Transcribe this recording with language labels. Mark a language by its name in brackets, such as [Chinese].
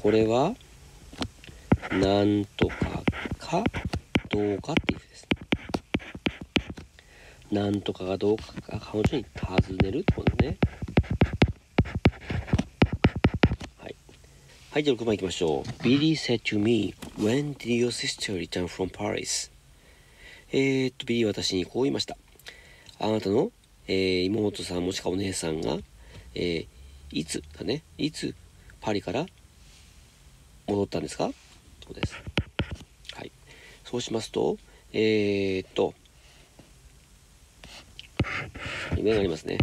[Japanese] これはなんとかかどうかっていう意味です。なんとかがどうかが彼女に尋ねるってことね。はい。はい、じゃあ6番いきましょう。 [English] Billy said to me, When did your sister return from Paris? [Japanese] Billy は私にこう言いました。あなたの、妹さんもしくはお姉さんが、いつだね、いつパリから戻ったんですか?です。はい、そうしますと夢がありますね。